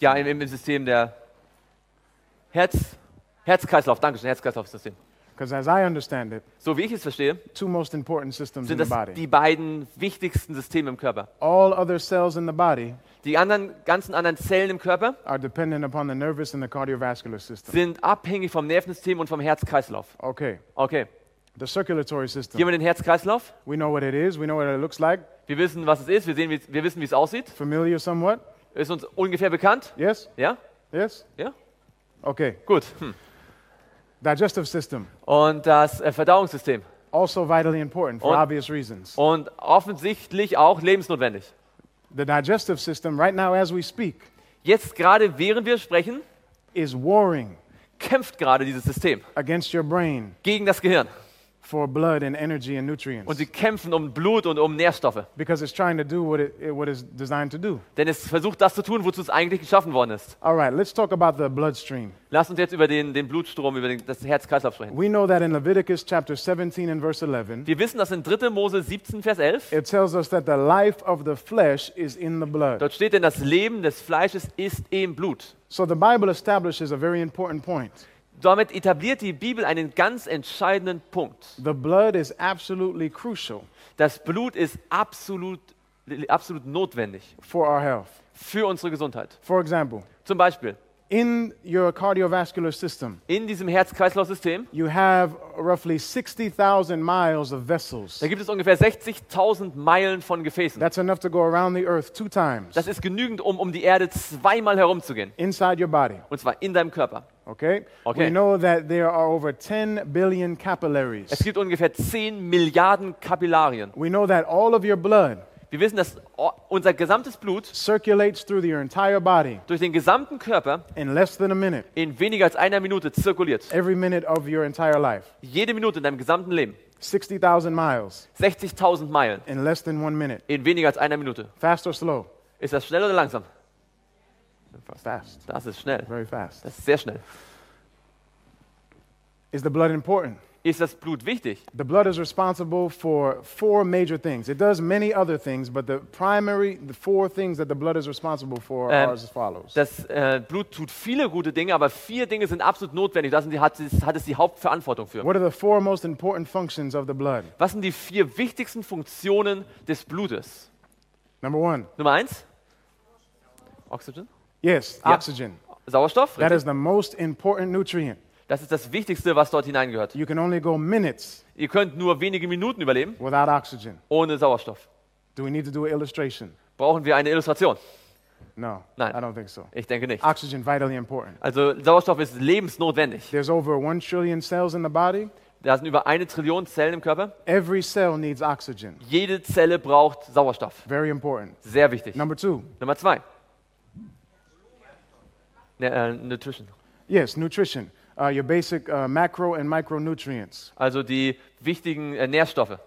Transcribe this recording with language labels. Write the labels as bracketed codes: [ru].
[de] Ja, im System der Herzkreislauf. Dankeschön, Herzkreislaufsystem. [en] Because as I understand it, [de] so wie ich es verstehe, [en] two most important systems [de] sind das [en] in the body. [de] Die beiden wichtigsten Systeme im Körper. [en] All other cells in the body. [de] Die anderen ganzen anderen Zellen im Körper [en] are dependent upon the nervous and the cardiovascular system. [de] Sind abhängig vom Nervensystem und vom Herzkreislauf. [en] Okay. [de] Okay. [en] The circulatory system. [de] Hier mit dem Herzkreislauf. [en] We know what it is. We know what it looks like. [de] Wir wissen, was es ist. Wir wissen, wie es aussieht. [en] Familiar somewhat. [de] Ist uns ungefähr bekannt. [en] Yes. [de] Ja. [en] Yes. [de] Ja. [en] Okay. [de] Gut. [en] Digestive system. [de] Und das Verdauungssystem. [en] Also vitally important for obvious reasons. [de] Und offensichtlich auch lebensnotwendig. [en] The digestive system right now as we speak. [de] Jetzt gerade während wir sprechen [en] is warring. [de] Kämpft gerade dieses System [en] against your brain. [de] Gegen das Gehirn. [en] For blood and energy and nutrients. [de] Und sie kämpfen um Blut und um Nährstoffe. [en] Because it's trying to do what it's designed to do. [de] Denn es versucht das zu tun, wozu es eigentlich geschaffen worden ist. [en] All right, let's talk about the bloodstream. [de] Lass uns jetzt über den Blutstrom, über das Herzkreislauf sprechen. [en] We know that in Leviticus chapter 17 and verse 11. [de] Wir wissen, dass in 3. Mose 17 Vers 11. [en] It tells us that the life of the flesh is in the blood. [de] Dort steht denn das Leben des Fleisches ist im Blut. [en] So the Bible establishes a very important point. [de] Damit etabliert die Bibel einen ganz entscheidenden Punkt. [en] The blood is absolutely crucial. [de] Das Blut ist absolut notwendig. [en] For our health. [de] Für unsere Gesundheit. [en] For example. [de] Zum Beispiel. [en] In your cardiovascular system. [de] In diesem Herz-Kreislauf-System. [en] You have roughly 60,000 miles of vessels. [de] Da gibt es ungefähr 60,000 Meilen von Gefäßen. [en] That's enough to go around the earth two times. [de] Das ist genügend, um die Erde zweimal herumzugehen. [en] Inside your body. [de] Und zwar in deinem Körper. [en] Okay. We know that there are over 10 billion capillaries. [de] Es gibt ungefähr 10 Milliarden Kapillarien. [en] We know that all of your blood. [de] Wir wissen, dass unser gesamtes Blut [en] circulates through your entire body. [de] Durch den gesamten Körper [en] in less than a minute. [de] In weniger als einer Minute zirkuliert. [en] Every minute of your entire life. [de] Jede Minute in deinem gesamten Leben. [en] 60,000 miles. [de] 60,000 Meilen. [en] In less than 1 minute. [de] In weniger als einer Minute. [en] Fast or slow? [de] Ist das schnell oder langsam? [en] Fast. [de] Das ist schnell. [en] Very fast. [de] Das ist sehr schnell. [en] Is the blood important? [de] Ist das Blut wichtig? [en] The blood is responsible for four major things. It does many other things, but the primary, the four things that the blood is responsible for are as follows. [de] Das Blut tut viele gute Dinge, aber vier Dinge sind absolut notwendig. Hat es die Hauptverantwortung für. [en] What are the four most important functions of the blood? [de] Was sind die vier wichtigsten Funktionen des Blutes? [en] Number one. [de] Nummer eins. Oxygen. [en] Yes, ja. Oxygen. [de] Sauerstoff. [en] That richtig. Is the most important nutrient. [de] Das ist das Wichtigste, was dort hineingehört. [en] You can only go minutes. [de] Ihr könnt nur wenige Minuten überleben. [en] Without oxygen. [de] Ohne Sauerstoff. [en] Do we need to do an illustration? [de] Brauchen wir eine Illustration? [en] No. [de] Nein. [en] I don't think so. [de] Ich denke nicht. [en] Oxygen vitally important. [de] Also Sauerstoff ist lebensnotwendig. [en] There's over 1 trillion cells in the body. [de] Da sind über 1 Trillion Zellen im Körper. [en] Every cell needs oxygen. [de] Jede Zelle braucht Sauerstoff. [en] Very important. [de] Sehr wichtig. [en] Number two. [de] Nummer zwei. [en] Nutrition. Yes, nutrition. Your basic macro and micronutrients. [de] Also die wichtigen Nährstoffe.